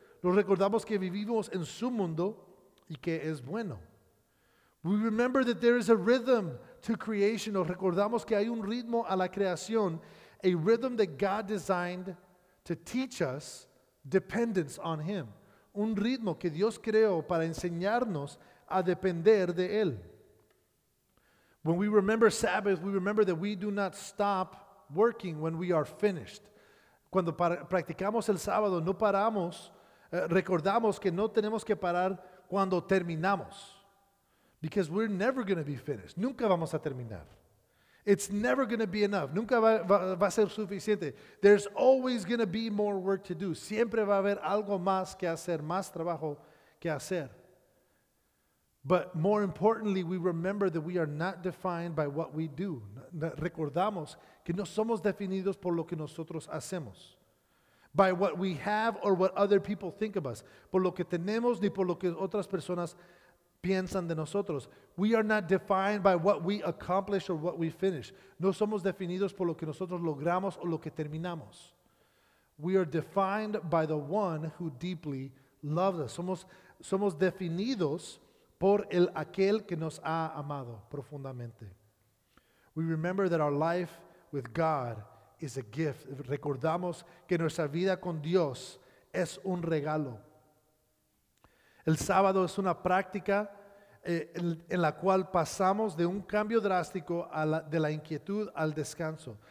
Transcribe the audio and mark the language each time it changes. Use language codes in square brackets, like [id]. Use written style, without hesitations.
[es] Nos recordamos que vivimos en su mundo y que es bueno. [en] We remember that there is a rhythm to creation. [es] Nos recordamos que hay un ritmo a la creación. [en] A rhythm that God designed to teach us dependence on him. [es] Un ritmo que Dios creó para enseñarnos a depender de él. [en] When we remember Sabbath, we remember that we do not stop working when we are finished. [es] Cuando practicamos el sábado, no paramos, recordamos que no tenemos que parar cuando terminamos. [en] Because we're never going to be finished. [es] Nunca vamos a terminar. [en] It's never going to be enough. [es] Nunca va a ser suficiente. [en] There's always going to be more work to do. [es] Siempre va a haber algo más que hacer, más trabajo que hacer. [en] But more importantly, we remember that we are not defined by what we do. [es] Recordamos que no somos definidos por lo que nosotros hacemos. [en] By what we have or what other people think of us. [es] Por lo que tenemos ni por lo que otras personas piensan de nosotros. [en] We are not defined by what we accomplish or what we finish. [es] No somos definidos por lo que nosotros logramos o lo que terminamos. [en] We are defined by the one who deeply loves us. [es] Somos definidos por el aquel que nos ha amado profundamente. [en] We remember that our life with God is a gift. [es] Recordamos que nuestra vida con Dios es un regalo. El sábado es una práctica en la cual pasamos de un cambio drástico de la inquietud al descanso.